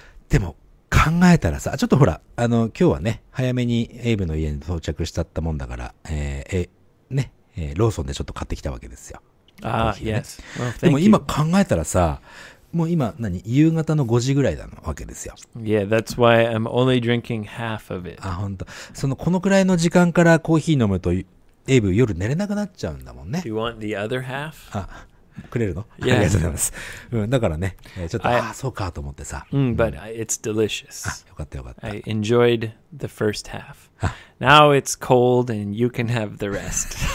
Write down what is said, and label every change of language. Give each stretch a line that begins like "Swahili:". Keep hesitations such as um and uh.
Japanese: でも、考えたらさ、ちょっとほら、あの、今日はね、早めにエイブの家に到着しちゃったもんだから、えー、えー、ね、えー、ローソンでちょっと買ってきたわけですよ。ああ、ね、イエス。でも今考えたらさ、もう今、何、夕方の5時ぐらいなわけですよ。
English: Yeah, that's why I'm only drinking half of it.
Japanese: あ、本当。その、このくらいの時間からコーヒー飲むと、エイブ夜寝れなくなっちゃうんだもんね。あ、くれるの
English: yeah.
Japanese: ありがとうございます。うん、だからね、えー、ちょっと、I、ああ、そうかと思ってさ。
English: うん、but mm, it's delicious.
Japanese: あよかったよかった。
English: I enjoyed the first half. Now it's cold and you can have the rest.